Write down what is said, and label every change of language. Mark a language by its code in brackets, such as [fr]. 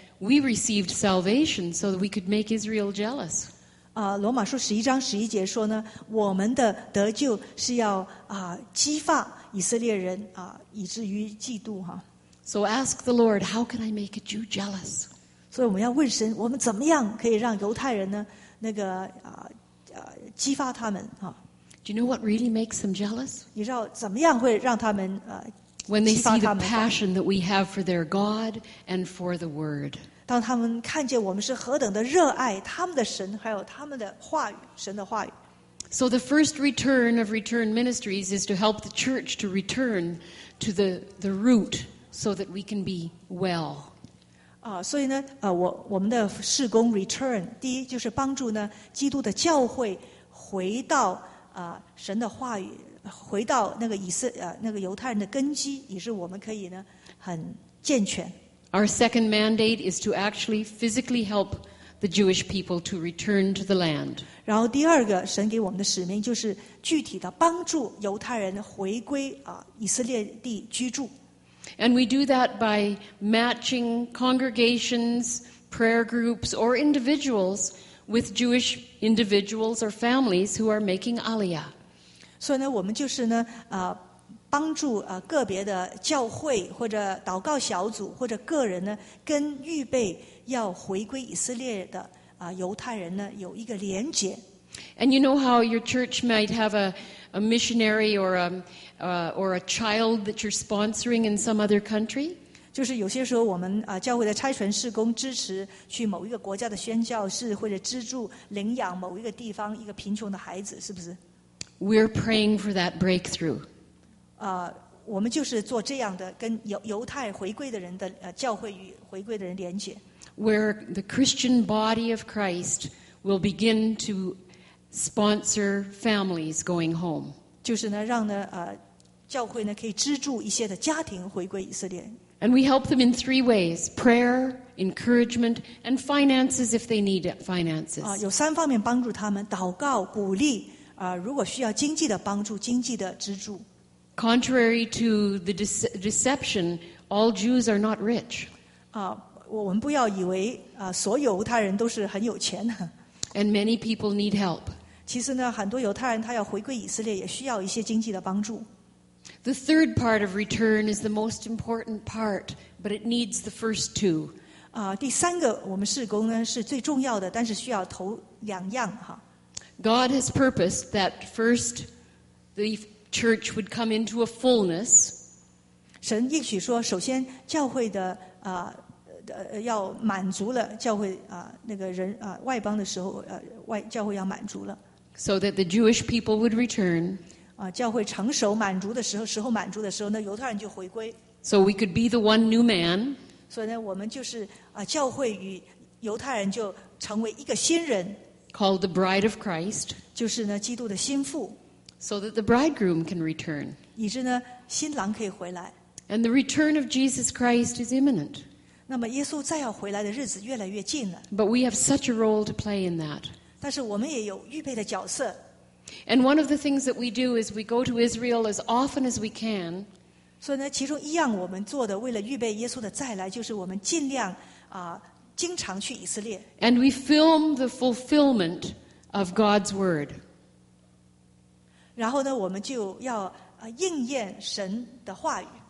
[en] We received salvation so that we could make Israel jealous. [zh] 罗马书十一章十一节说呢，我们的得救是要激发以色列人以至于嫉妒哈。 [en] So ask the Lord, how can I make a Jew jealous? [zh] 所以我们要问神，我们怎么样可以让犹太人呢那个激发他们哈。 [en] Do you know what really makes them jealous? [zh] 你知道怎么样会让他们 [en] When they see the passion that we have for their God and for the Word. [zh] 当他们看见我们是何等的热爱他们的神还有他们的话语神的话语。 [en] So the first return of return ministries is to help the church to return to the root so that we can be well. [zh] 所以呢我们的事工 return, 第一就是帮助呢基督的教会回到神的话语。回到那个以色那个犹太人的根基，也是我们可以呢很健全。 [en] Our second mandate is to actually physically help the Jewish people to return to the land. [zh] 然后第二个神给我们的使命就是具体的帮助犹太人回归以色列地居住。 [en] And we do that by matching congregations, prayer groups, or individuals with Jewish individuals or families who are making aliyah. [zh] 所以呢，我们就是呢，帮助个别的教会或者祷告小组或者个人呢，跟预备要回归以色列的犹太人呢有一个连结。 [en] And you know how your church might have a missionary or a child that you're sponsoring in some other country? [zh] 就是有些时候我们教会的差传事工支持去某一个国家的宣教士或者资助领养某一个地方一个贫穷的孩子，是不是？ [en] We're praying for that breakthrough. [zh] 我们就是做这样的，跟犹太回归的人的教会与回归的人连接。 [en] Where the Christian body of Christ will begin to sponsor families going home. [zh] 就是呢，让呢教会呢可以资助一些的家庭回归以色列。 [en] And we help them in three ways: prayer, encouragement, and finances if they need finances. [zh] 有三方面帮助他们：祷告、鼓励。如果需要经济的帮助，经济的资助。 [en] Contrary to the deception, all Jews are not rich. [zh] 我们不要以为所有犹太人都是很有钱的。 [en] And many people need help. [zh] 其实呢，很多犹太人他要回归以色列，也需要一些经济的帮助。 [en] The third part of return is the most important part, but it needs the first two. [zh] 第三个我们事工呢是最重要的，但是需要头两样哈。 [en] God has purposed that first the church would come into a fullness. [zh] 神应许说，首先教会的要满足了教会那个人外邦的时候教会要满足了。 [en] So that the Jewish people would return. [zh] 教会成熟满足的时候满足的时候，那犹太人就回归。 [en] So we could be the one new man. [zh] 所以呢，我们就是教会与犹太人就成为一个新人。 [en] Called the bride of Christ, [zh] 就是呢基督的心腹 [en] so that the bridegroom can return, [zh] 以致呢新郎可以回来 [en] and the return of Jesus Christ is imminent. [zh] 那么耶稣再要回来的日子越来越近了。 [en] But we have such a role to play in that. [zh] 但是我们也有预备的角色。 [en] And one of the things that we do is we go to Israel as often as we can. [zh] 所以呢，其中一样我们做的，为了预备耶稣的再来，就是我们尽量啊，经常去以色列。 [en] And we film the fulfillment of God's word. [zh] 然后呢，我们就要啊应验神的话语。